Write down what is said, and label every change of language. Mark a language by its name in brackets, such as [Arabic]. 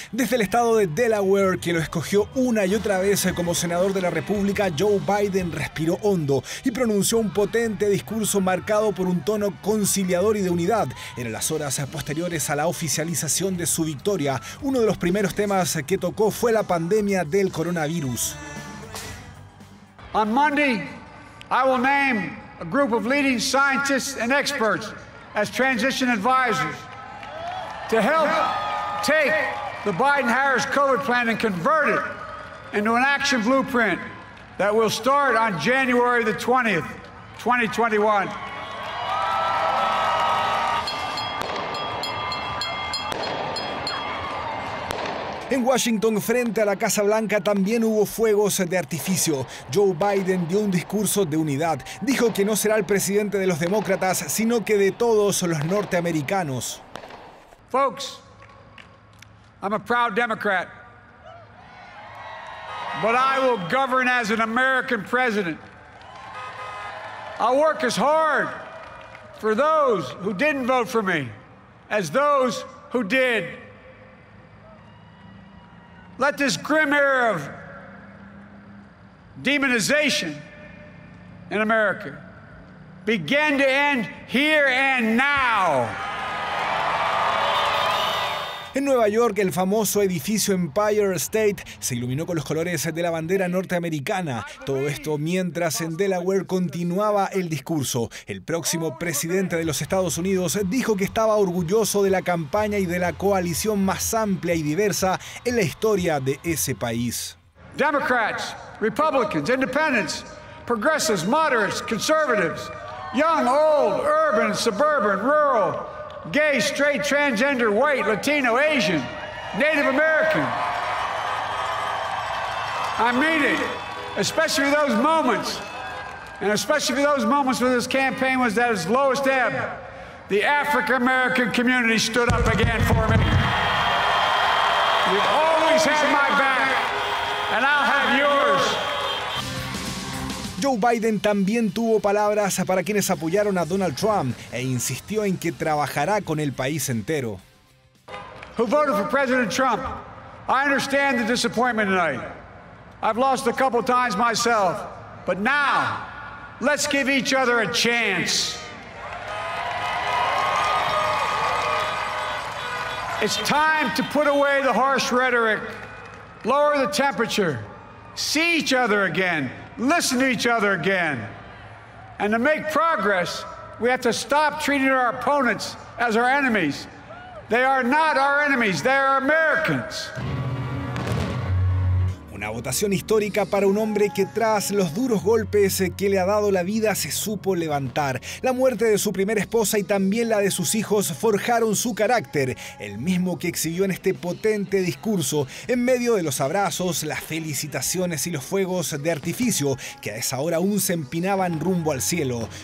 [Spanish] Desde el estado de Delaware, que lo escogió una y otra vez como senador de la República, Joe Biden respiró hondo y pronunció un potente discurso marcado por un tono conciliador y de unidad. En las horas posteriores a la oficialización de su victoria, uno de los primeros temas que tocó fue la pandemia del coronavirus. [English] On Monday, I will name a group of leading scientists and experts as transition advisors to help take the Biden-Harris COVID plan and convert it into an action blueprint that will start on January the 20th, 2021. [Spanish] En Washington, frente a la Casa Blanca, también hubo fuegos de artificio. Joe Biden dio un discurso de unidad. Dijo que no será el presidente de los demócratas, sino que de todos los norteamericanos. [English] Folks, I'm a proud Democrat, but I will govern as an American president. I'll work as hard for those who didn't vote for me as those who did. Let this grim era of demonization in America begin to end here and now. [Spanish] En Nueva York, el famoso edificio Empire State se iluminó con los colores de la bandera norteamericana. Todo esto mientras en Delaware continuaba el discurso. El próximo presidente de los Estados Unidos dijo que estaba orgulloso de la campaña y de la coalición más amplia y diversa en la historia de ese país. [English] Democrats, Republicans, Independents, Progressives, Moderates, Conservatives, Young, Old, Urban, Suburban, Rural, Gay, straight, transgender, white, Latino, Asian, Native American. I mean it, especially for those moments, and especially for those moments when this campaign was at its lowest ebb, the African-American community stood up again for me. You've always had my back, and I'll have yours. [Spanish] Joe Biden también tuvo palabras para quienes apoyaron a Donald Trump e insistió en que trabajará con el país entero. [English] Who voted for President Trump? I understand the disappointment tonight. I've lost a couple times myself, but now let's give each other a chance. It's time to put away the harsh rhetoric, lower the temperature, see each other again. Listen to each other again. And to make progress, we have to stop treating our opponents as our enemies. They are not our enemies, they are Americans. [Spanish] Una votación histórica para un hombre que tras los duros golpes que le ha dado la vida se supo levantar. La muerte de su primera esposa y también la de sus hijos forjaron su carácter, el mismo que exhibió en este potente discurso, en medio de los abrazos, las felicitaciones y los fuegos de artificio que a esa hora aún se empinaban rumbo al cielo.